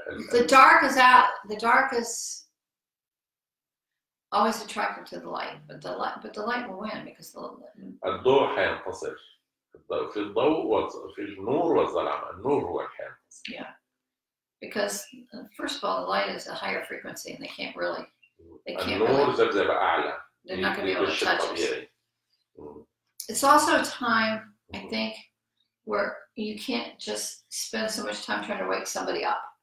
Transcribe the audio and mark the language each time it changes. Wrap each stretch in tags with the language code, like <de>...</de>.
<en>The dark is... Always attracted to the light, but the light will win because the light.</en> <ar>الضوء حينتصر. في الضوء وفي النور والظلام. النور هو الحينتصر.</ar> <en>Yeah, because first of all, the light is a higher frequency, and they can't really.</en> <ar>النور زبزب أعلى.</ar> <en>They're not going to be able to touch us. It's also a time, I think, where you can't just spend so much time trying to wake somebody up.</en>